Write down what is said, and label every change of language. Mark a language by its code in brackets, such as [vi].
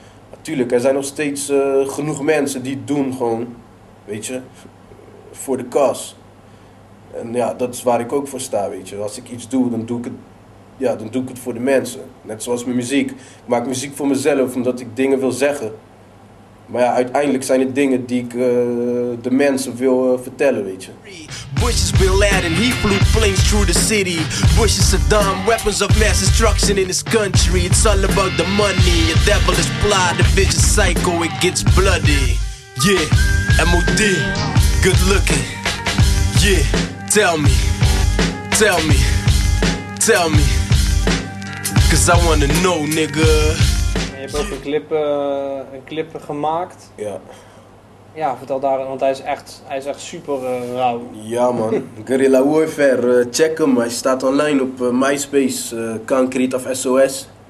[nl] Natuurlijk, er zijn nog steeds genoeg mensen die het doen gewoon, weet je. Voor de kas. En ja, dat is waar ik ook voor sta, weet je. Als ik iets doe, dan doe ik het, ja, dan doe ik het voor de mensen. Net zoals mijn muziek. Ik maak muziek voor mezelf, omdat ik dingen wil zeggen. Maar ja, uiteindelijk zijn het dingen die ik de mensen wil vertellen, weet je. [en] Bushes been laden, he flew flames through the city. Bushes are dumb, weapons of mass destruction in this country. It's all about the money, a devilish plot, a vicious cycle, it gets bloody. Yeah, M.O.D., good looking. Yeah, tell me, tell me, tell me. Cause I wanna know, nigga. [nl] Ik heb ook een clip gemaakt. Ja. Ja, vertel daar, want hij is echt super rauw. Ja man, Guerrilla Warfare, check hem. Hij staat online op MySpace, Concrete of SOS.